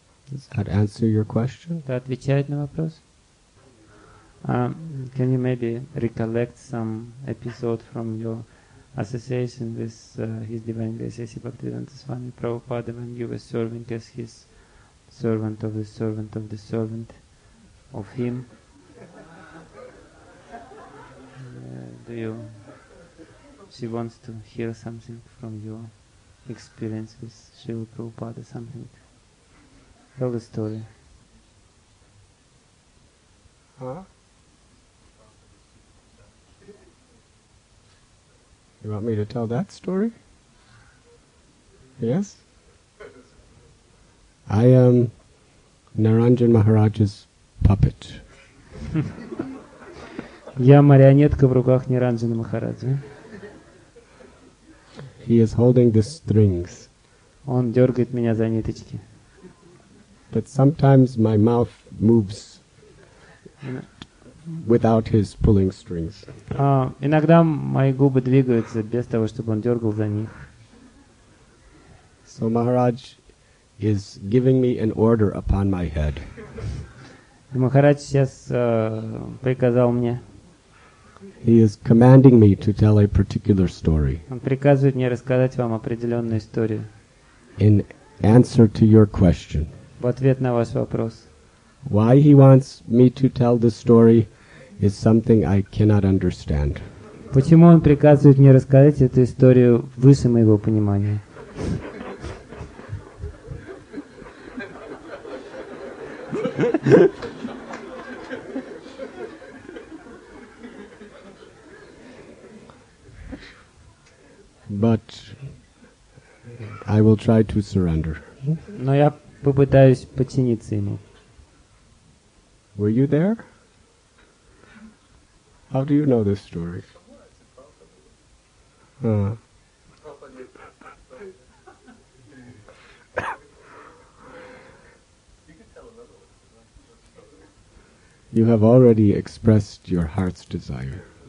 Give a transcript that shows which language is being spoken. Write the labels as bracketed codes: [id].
[en] Does that answer your question? [ru] Это отвечает на вопрос? [en] Can you maybe recollect some episode from your association with His Divine Grace Asi Bhaktivedanta Swami Prabhupada when you were serving as His servant of the servant of the servant of him? Do you? She wants to hear something from your experience with Srila Prabhupada, something. Tell the story. You want me to tell that story? Yes? I am Naranjan Maharaj's puppet. [ru] Я марионетка в руках Ниранджана Махараджи. [en] He is holding the strings. [ru] Он дергает меня за ниточки. [en] But sometimes my mouth moves without his pulling strings. [ru] Иногда мои губы двигаются без того, чтобы он дергал за них. [en] So Maharaj is giving me an order upon my head. [ru] Махарадж сейчас приказал мне. [en] He is commanding me to tell a particular story. [ru] Он приказывает мне рассказать вам определенную историю. [en] In answer to your question. [ru] В ответ на ваш вопрос. [en] Why he wants me to tell the story is something I cannot understand. [ru] Почему он приказывает мне рассказать эту историю выше моего понимания? [en] But I will try to surrender. [ru] Но я попытаюсь подчиниться ему. [en] Were you there? How do you know this story? You have already expressed your heart's desire.